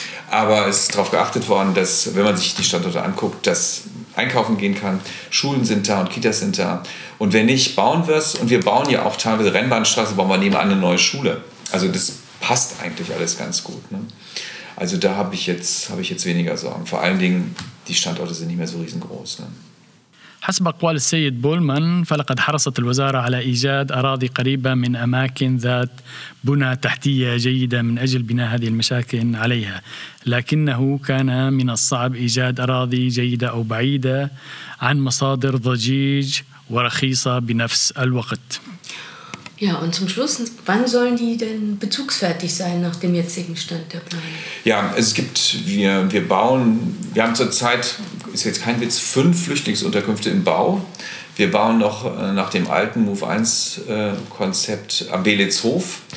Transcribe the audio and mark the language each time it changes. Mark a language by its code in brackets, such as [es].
[de] Aber es ist darauf geachtet worden, dass, wenn man sich die Standorte anguckt, dass einkaufen gehen kann, Schulen sind da und Kitas sind da. Und wenn nicht, bauen wir es. Und wir bauen ja auch teilweise Rennbahnstraße, bauen wir nebenan eine neue Schule. Also das passt eigentlich alles ganz gut. Ne? Also da habe ich jetzt weniger Sorgen. Vor allen Dingen, die Standorte sind nicht mehr so riesengroß. Ne? [ar] حسب أقوال السيد بولمان فلقد حرصت الوزارة على إيجاد أراضي قريبة من أماكن ذات بنى تحتية جيدة من أجل بناء هذه المساكن عليها لكنه كان من الصعب إيجاد أراضي جيدة أو بعيدة عن مصادر ضجيج ورخيصة بنفس الوقت. [de] Ja, und zum Schluss, wann sollen die denn bezugsfertig sein nach dem jetzigen Stand der Planung? Ja, es gibt, wir haben zurzeit, ist jetzt kein Witz, 5 Flüchtlingsunterkünfte im Bau. Wir bauen noch nach dem alten Move-1-Konzept am Belitzhof.